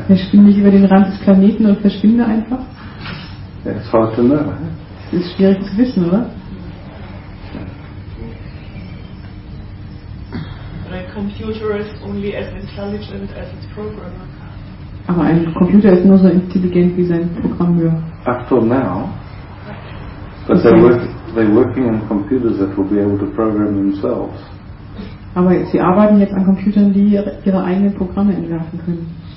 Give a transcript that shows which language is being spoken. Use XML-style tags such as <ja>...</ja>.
<de>Verschwinde ich über den Rand des Planeten und verschwinde einfach?</de> <en>It's hard to know.</en> <de>Es ist schwierig zu wissen, oder?</de> <en>But a computer is only as intelligent as its programmer.</en> <de>Aber ein Computer ist nur so intelligent wie sein Programmierer.</de> <en>Up till now. But okay. They're working on computers that will be able to program themselves.</en> <de>Aber sie arbeiten jetzt an Computern, die ihre eigenen Programme entwerfen können.</de>